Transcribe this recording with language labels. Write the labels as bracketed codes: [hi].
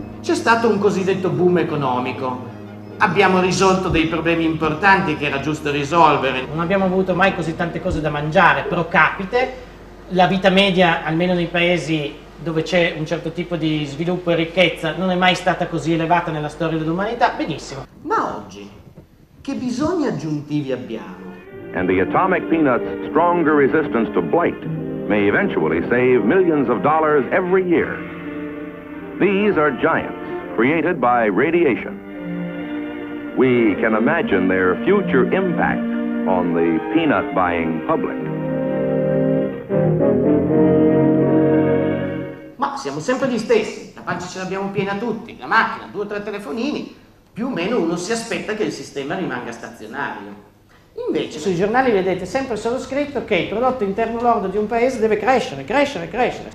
[it] C'è stato un cosiddetto boom economico. Abbiamo risolto dei problemi importanti che era giusto risolvere. Non abbiamo avuto mai così tante cose da mangiare pro capite. La vita media, almeno nei paesi dove c'è un certo tipo di sviluppo e ricchezza, non è mai stata così elevata nella storia dell'umanità. Benissimo. Ma oggi, che bisogni aggiuntivi abbiamo? [en] And the atomic peanuts stronger resistance to blight may eventually save millions of dollars every year. These are giants created by radiation. We can imagine their future impact on the peanut-buying public. [it] Ma siamo sempre gli stessi, la pancia ce l'abbiamo piena tutti, la macchina, due o tre telefonini, più o meno uno si aspetta che il sistema rimanga stazionario. Invece sui giornali vedete sempre solo scritto che il prodotto interno lordo di un paese deve crescere, crescere, crescere.